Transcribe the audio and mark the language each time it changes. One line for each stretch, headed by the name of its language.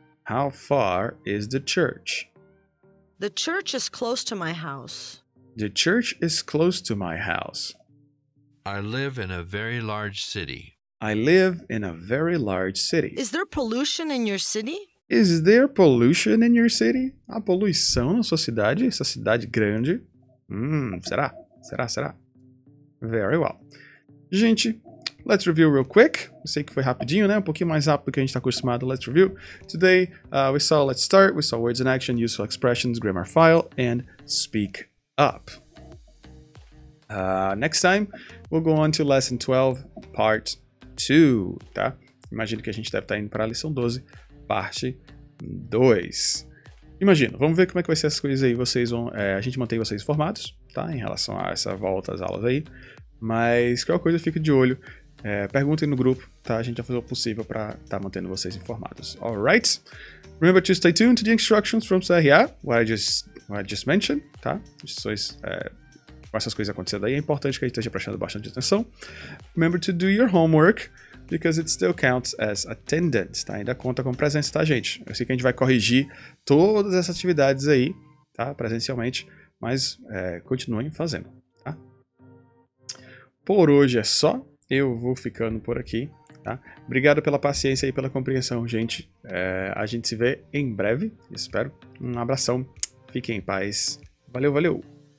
English: How far is the church? The church is close to my house. The church is close to my house. I live in a very large city. I live in a very large city. Is there pollution in your city? Is there pollution in your city?
Portuguese: Há poluição na sua cidade? Essa cidade grande? Será? Será, será?
English: Very well. Gente, let's review real quick.
Portuguese: Sei que foi rapidinho, né? Um pouquinho mais rápido do que a gente está acostumado.
English: Let's review. Today, we saw, let's start. We saw words in action, useful expressions, grammar file, and speak up. Next time, we'll go on to lesson 12, part 2, tá?
Portuguese: Imagino que a gente deve estar indo para a lição 12, parte 2. Imagino. Vamos ver como é que vai ser as coisas aí. Vocês vão, a gente mantém vocês informados, tá? Em relação a essa volta às aulas aí. Mas qualquer coisa, fique de olho. Perguntem no grupo, tá? A gente vai fazer o possível para estar mantendo vocês informados.
English: Alright? Remember to stay tuned to the instructions from CRA, what I just mentioned, tá?
Portuguese: Instruções, com essas coisas acontecendo aí, é importante que a gente esteja prestando bastante atenção.
English: Remember to do your homework, because it still counts as attendance, tá?
Portuguese: Ainda conta com presença, tá, gente? Eu sei que a gente vai corrigir todas essas atividades aí, tá? Presencialmente, mas continuem fazendo, tá? Por hoje é só. Eu vou ficando por aqui, tá? Obrigado pela paciência e pela compreensão, gente. A gente se vê em breve, espero. Um abração, fiquem em paz. Valeu, valeu!